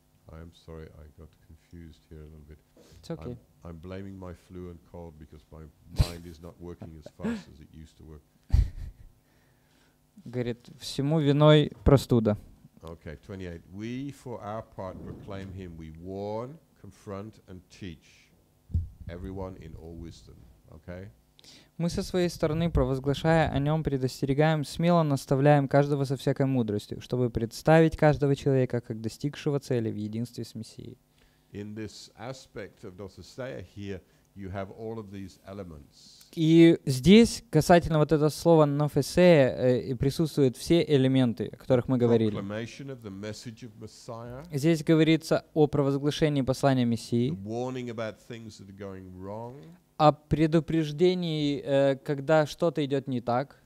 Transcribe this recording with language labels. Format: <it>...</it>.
<en>I'm sorry, I got confused here a little bit. It's okay. I'm blaming my flu and cold because my mind is not working as fast as it used to work.</en> <ru>Говорит, всему виной простуда.</ru> <en>Okay, 28. We, for our part, proclaim him. We warn, confront, and teach everyone in all wisdom. Okay?</en> <ru>Мы со своей стороны, провозглашая о нем, предостерегаем, смело наставляем каждого со всякой мудростью, чтобы представить каждого человека как достигшего цели в единстве с Мессией.</ru> <en>In this aspect of Dothasea here, you have all of these elements.</en> <ru>И здесь, касательно вот этого слова «нофесея», присутствуют все элементы, о которых мы говорили.</ru> <en>Messiah,</en> <ru>здесь говорится о провозглашении послания Мессии,</ru> <en>wrong,</en> <ru>о предупреждении, когда что-то идет не так,</ru>